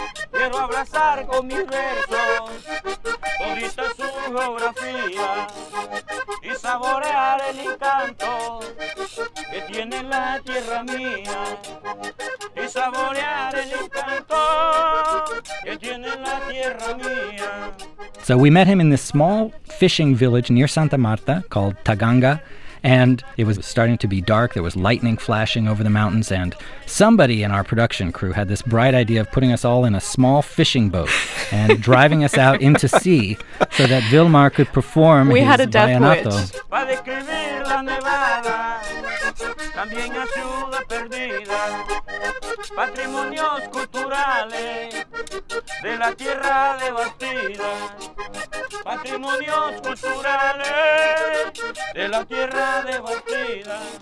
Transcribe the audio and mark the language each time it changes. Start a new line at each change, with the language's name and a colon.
Spanish: Quiero abrazar con mis versos todita su geografía y saborear el encanto que tiene la tierra mía. Y saborear el encanto que tiene la tierra mía.
English: So we met him in this small fishing village near Santa Marta called Taganga, and it was starting to be dark. There was lightning flashing over the mountains, and somebody in our production crew had this bright idea of putting us all in a small fishing boat and driving us out into sea so that Vilmar could perform his vallenato. We had a death wish.
Spanish: Para describir la nevada, también a ciudad perdida, patrimonios culturales de la tierra de Bastida. Patrimonios culturales de la tierra de Bastida.